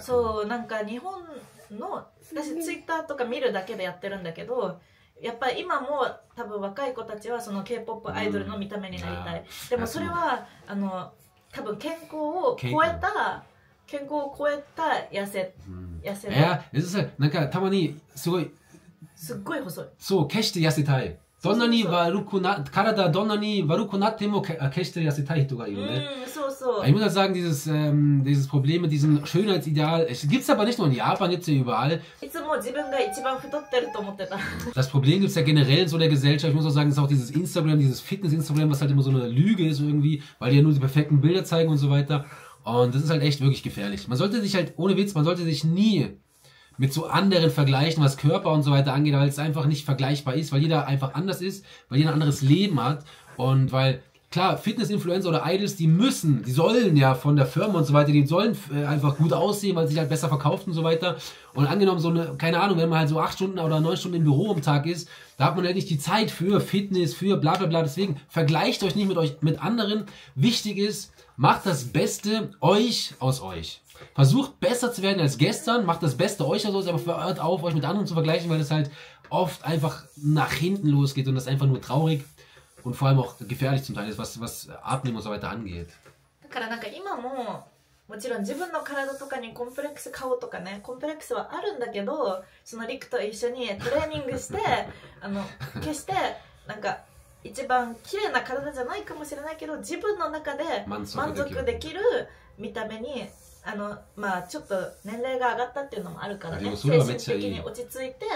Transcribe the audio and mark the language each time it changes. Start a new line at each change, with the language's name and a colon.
Japanese: そう、なんか日本の、私ツイッターとか見るだけでやってるんだけど、やっぱり今も多分若い子たちはその K-POP アイドルの見た目になりたい、うん、でもそれは多分健康を超えた、健康を超えた痩せ、うん、いや、えずさ、なんかたまにすごい、すっごい細い、そう、決して痩せたい、どんなに悪くな、体どんなに悪くなっても決して痩せたい人がいるね。うん、そうそう。
German: Ich muss sagen, dieses Problem mit diesem Schönheitsideal, es gibt's aber nicht nur in Japan, gibt's ja überall.
Japanese: いつも自分が一番太ってると思ってた。
German: Das Problem gibt's ja generell in so der Gesellschaft. Ich muss auch sagen, es ist auch dieses Instagram, dieses Fitness-Instagram, was halt immer so eine Lüge ist irgendwie, weil die ja nur die perfekten Bilder zeigen und so weiter. Und das ist halt echt wirklich gefährlich. Man sollte sich halt, ohne Witz, man sollte sich nie... mit so anderen vergleichen, was Körper und so weiter angeht, weil es einfach nicht vergleichbar ist, weil jeder einfach anders ist, weil jeder ein anderes Leben hat und weil, klar, Fitness-Influencer oder Idols, die müssen, die sollen ja von der Firma und so weiter, die sollen einfach gut aussehen, weil sie sich halt besser verkauft und so weiter, und angenommen so eine, keine Ahnung, wenn man halt so 8 Stunden oder 9 Stunden im Büro am Tag ist, da hat man halt nicht die Zeit für Fitness, für bla bla bla, deswegen vergleicht euch nicht mit anderen, wichtig ist, macht das Beste euch aus euch. Versucht besser zu werden als gestern, macht das Beste euch aus euch, aber hört auf, euch mit anderen zu vergleichen, weil es halt oft einfach nach hinten losgeht und das einfach nur traurig und vor allem auch gefährlich zum Teil ist, was Abnehmen und so weiter angeht.
Japanese: だからなんか今ももちろん自分の体とかにコンプレックス、顔とかね、コンプレックスはあるんだけど、そのリクと一緒にトレーニングして決してなんか一番綺麗な体じゃないかもしれないけど、自分の中で満足できる見た目に、まあちょっと年齢が上がったっていうのもあるからね、精神的に落ち着いて、